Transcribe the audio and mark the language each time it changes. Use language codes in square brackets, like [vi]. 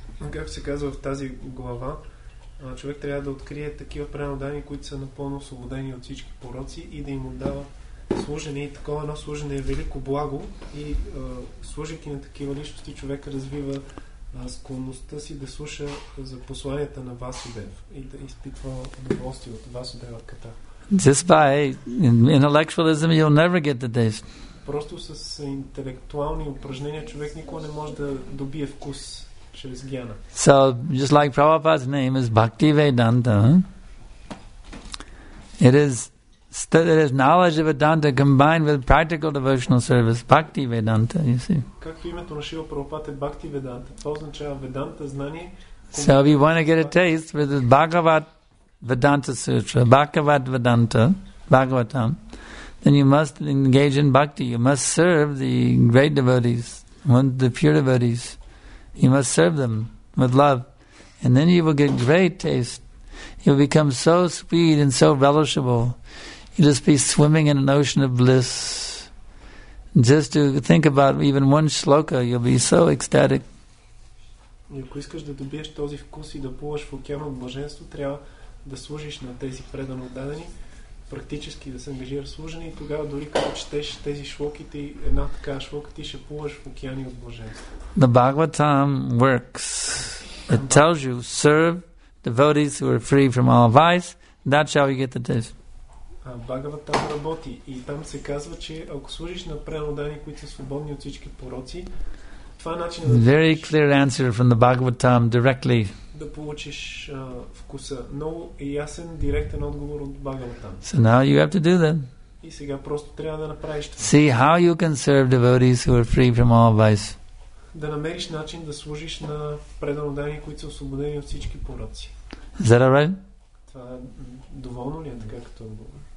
[bg] Както се казва в тази глава, човек трябва да открие такива преодани, които са напълно освободени от всички пороци и да им отдава служене. И такова едно служене е велико благо и служайки на такива личности, човек развива склонността си да слуша за посланията на Васудев и да изпитва удоволствие от Васудева ката. [en] Just by intellectualism you'll never get the taste. [bg] Просто с интелектуални упражнения човек никога не може да добие вкус. [en] So, just like Prabhupada's name is Bhakti Vedanta, it is knowledge of Vedanta combined with practical devotional service. Bhakti Vedanta, you see. [bg] Както името на Шрила Прабхупада е Бхакти Веданта. Това означава Веданта, знание. [en] So, if you want to get a taste with the Bhagavad Vedanta Sutra, Bhagavad Vedanta, Bhagavatam, then you must engage in Bhakti. You must serve the great devotees, the pure devotees. You must serve them with love. And then you will get great taste. You will become so sweet and so relishable. You'll just be swimming in an ocean of bliss. Just to think about even one shloka, you'll be so ecstatic. [bg] Ако искаш да добиеш този вкус и да плуваш в океан от блаженство, трябва да служиш на тези предано отдадени, практически да се ангажираш в служене и тогава дори като четеш тези шлоки, една така шлока, ти ще плуваш в океани от блаженство. [en] The Bhagavatam works. It tells you, serve devotees who are free from all vice. That's how you get the taste. [bg] Bhagavatam работи. И там се казва, че ако служиш на преодани, които са свободни от всички пороци, това е начинът. [en] Very clear answer from the Bhagavatam directly. [bg] Да получиш вкуса. Много ясен, директен отговор от Bhagavatam. [en] So now you have to do that. [bg] И сега просто трябва да направиш това. [en] See how you can serve devotees who are free from all vice. [bg] Да намериш начин да служиш на преданодани, които са освободени от всички пороци. [en] Is that right? [bg] Това е доволно ли е така като отговор?